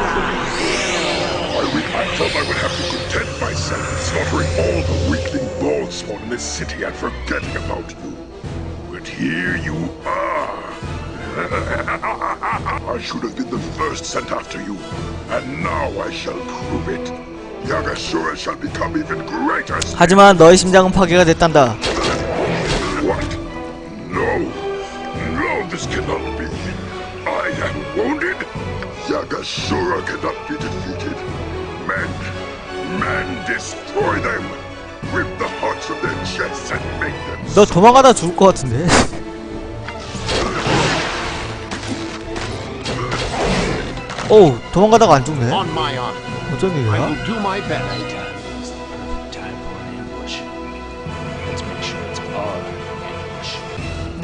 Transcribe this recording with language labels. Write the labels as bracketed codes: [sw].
[en] I reactor, I would have to content myself with slaughtering all the weakling baldspawn in this city and forgetting about you. But here you are. I should have been the first sent after you, and now I shall prove it. Yagasura shall become even greater. [ko] 하지만 너의 심장은 파괴가 됐단다. [en] What? No. No, this cannot be. I am wounded. Yagasura cannot be defeated. Men, men, destroy them. Rip the hearts from their chests and make them. [ko] 너 도망가다 죽을 것 같은데. 오, 도망가다가 안 죽네. 어쩐 일이야? [en] I will do my best. Time for ambush.